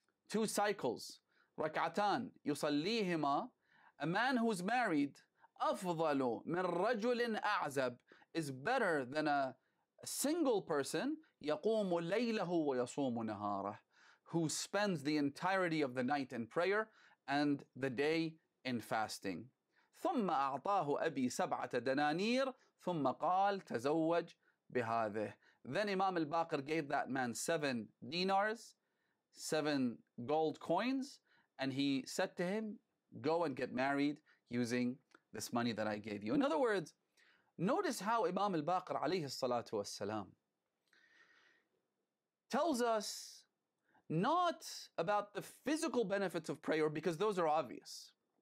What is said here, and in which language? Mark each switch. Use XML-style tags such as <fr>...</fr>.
<en>two cycles,</en> <ar>ركعتان يصليهما,</ar> <en>a man who's married,</en> <ar>أفضل من رجل أعزب,</ar> <en>is better than a single person,</en> <ar>يقوم ليله ويصوم نهاره,</ar> <en>who spends the entirety of the night in prayer and the day in fasting.</en> <ar>ثم أعطاه أبي سبعة دنانير ثم قال تزوج بهذه.</ar> <en>Then Imam al-Baqir gave that man seven dinars, seven gold coins, and he said to him, go and get married using this money that I gave you. In other words, notice how Imam al-Baqir alayhi salatu wasalam tells us not about the physical benefits of prayer, because those are obvious.</en>